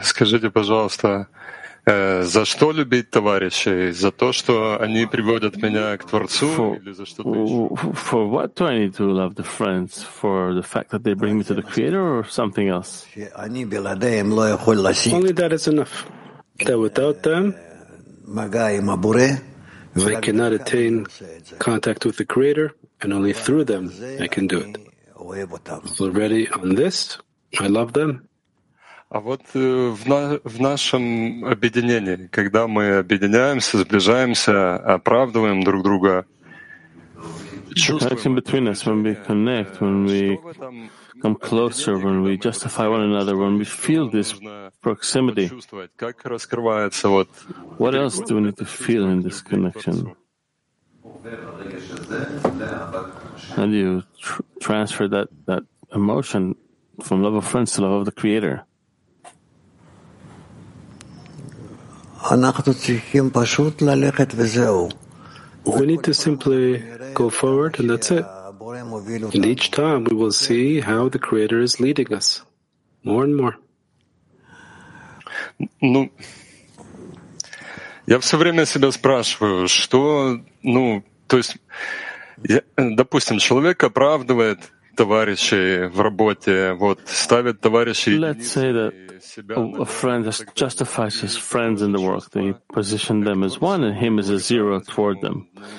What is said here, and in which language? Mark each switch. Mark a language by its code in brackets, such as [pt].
[ru] Скажите, пожалуйста, за что любить товарищей? За то, что они приводят меня к Творцу, или за что-то еще? [en] For what do I need to love the friends? For the fact that they bring me to the Creator or something else? Only that is enough. That without them, I cannot attain contact with the Creator, and only through them I can do it. Already on this, I love them. [ru] А вот в нашем объединении, когда мы объединяемся, сближаемся, оправдываем друг друга, [en] connection between us, when we connect, when we come closer, when we justify one another, when we feel this proximity, [ru] как раскрывается вот. [en] What else do we need to feel in this connection? How do you transfer that emotion from love of friends to love of the Creator? [he] אנחנו צריכים פשוט ללכת וזהו. [en] We need to simply go forward, and that's it. And each time we will see how the Creator is leading us, more and more. [ru] Ну, я все время себя спрашиваю, что, ну, то есть, я, допустим, человек оправдывает товарищей в работе, вот, ставит товарищей. [en] Let's say that a friend justifies his friends in the work. They position them as one and him as a zero toward them.